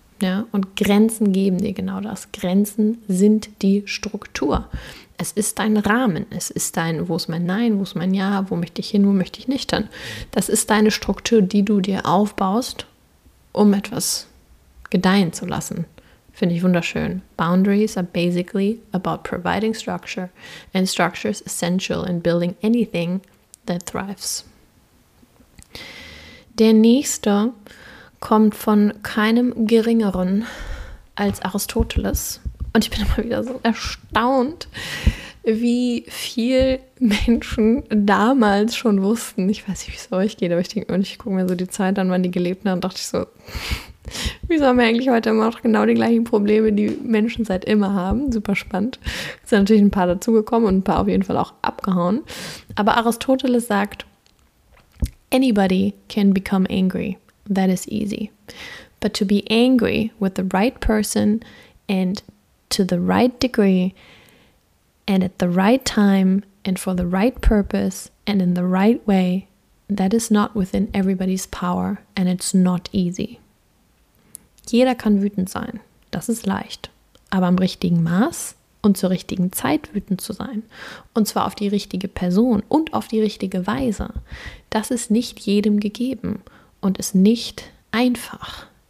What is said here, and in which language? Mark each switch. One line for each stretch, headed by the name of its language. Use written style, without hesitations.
German: Ja? Und Grenzen geben dir genau das. Grenzen sind die Struktur. Es ist dein Rahmen. Es ist dein, wo ist mein Nein, wo ist mein Ja, wo möchte ich hin, wo möchte ich nicht hin. Das ist deine Struktur, die du dir aufbaust, um etwas gedeihen zu lassen. Finde ich wunderschön.
English: Boundaries are basically about providing structure and structure is essential in building anything that thrives.
German: Der nächste kommt von keinem Geringeren als Aristoteles. Und ich bin immer wieder so erstaunt, wie viel Menschen damals schon wussten. Ich weiß nicht, wie es euch geht, aber ich gucke mir so die Zeit an, wann die gelebt haben, und dachte ich so, wieso haben wir eigentlich heute immer noch genau die gleichen Probleme, die Menschen seit immer haben? Super spannend. Es sind natürlich ein paar dazugekommen und ein paar auf jeden Fall auch abgehauen. Aber Aristoteles sagt,
English: anybody can become angry. That is easy. But to be angry with the right person and to the right degree and at the right time and for the right purpose and in the right way, that is not within everybody's power and it's not easy.
German: Jeder kann wütend sein, das ist leicht. Aber im richtigen Maß und zur richtigen Zeit wütend zu sein. Und zwar auf die richtige Person und auf die richtige Weise. Das ist nicht jedem gegeben und ist nicht einfach.